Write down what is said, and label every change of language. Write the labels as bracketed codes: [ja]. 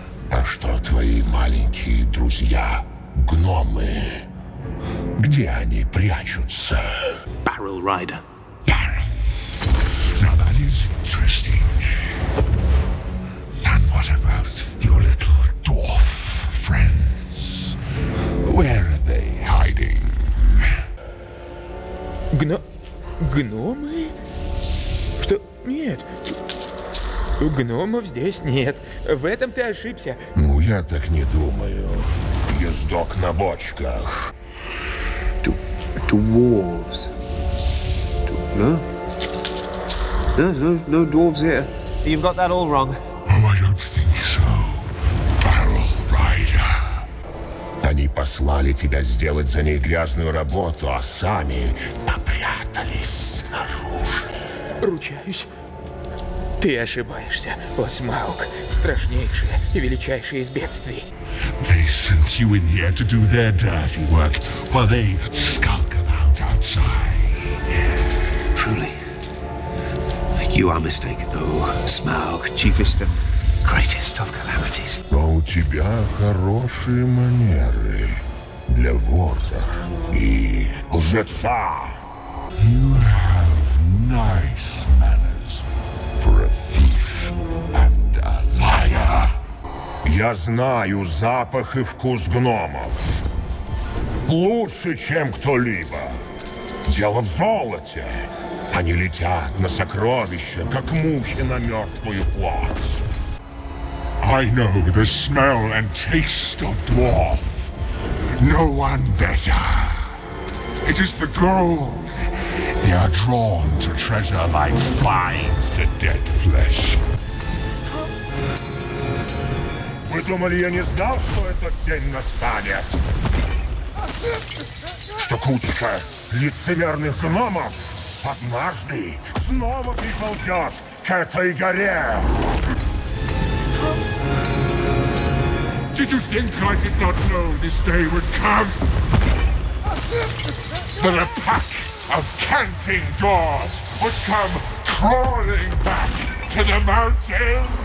[ru] А что твои маленькие друзья, гномы? Где они прячутся? [en] Barrel Rider. Barrel. Now that is interesting. And what about your little dwarf friends? Where are they hiding? [ru] Гномы? Что? Нет. Гномов здесь нет. В этом ты ошибся. Ну, я так не думаю. Ездок на бочках. [en] Dwarves. No dwarves here. You've got that all wrong. Oh, I don't think so. Barrel Rider. [ru] Они послали тебя сделать за ней грязную работу, а сами попрятались снаружи. Ручаюсь. Ты ошибаешься, Осмаук, страшнейшее и величайшее из бедствий. [en] They sent you in here to do their dirty work, while they skulk about outside. Truly, you are mistaken. Oh, Смаук, chiefest and greatest of calamities. [ru] Но у тебя хорошие манеры для вора и лжеца. [en] You have nice manners for a thief and a liar. [ru] Я знаю запах и вкус гномов. Лучше, чем кто-либо. Дело в золоте. Они летят на сокровища, как мухи на мертвую плоть. [en] I know the smell and taste of dwarf. No one better. It is the gold. They are drawn to treasure like flies to dead flesh. [ru] Вы думали, я не знал, что этот день настанет? Что кучка лицемерных гномов однажды снова приползет к этой горе? [en] Did you think I did not know this day would come? That a pack of canting dwarves would come crawling back to the mountain?